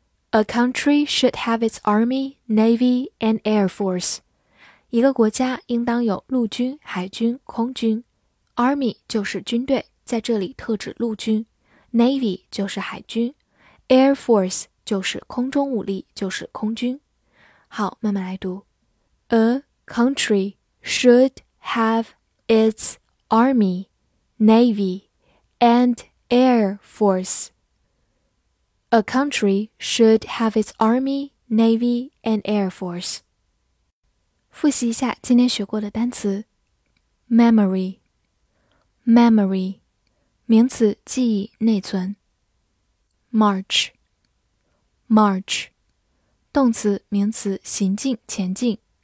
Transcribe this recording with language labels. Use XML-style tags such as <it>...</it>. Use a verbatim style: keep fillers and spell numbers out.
<en>A country should have its army, navy and air force.</en> <zh>一个国家应当有陆军、海军、空军。 Army 就是军队，在这里特指陆军。Navy 就是海军。 Air force 就是空中武力，就是空军。好，慢慢来读。</zh> <en>A country should have its army, navy, and air force. A country should have its army, navy, and air force.</en> <zh>复习一下今天学过的单词。 Memory, memory, 名词，记忆，内存。 March, march, 动词，名词，行进，前进。</zh>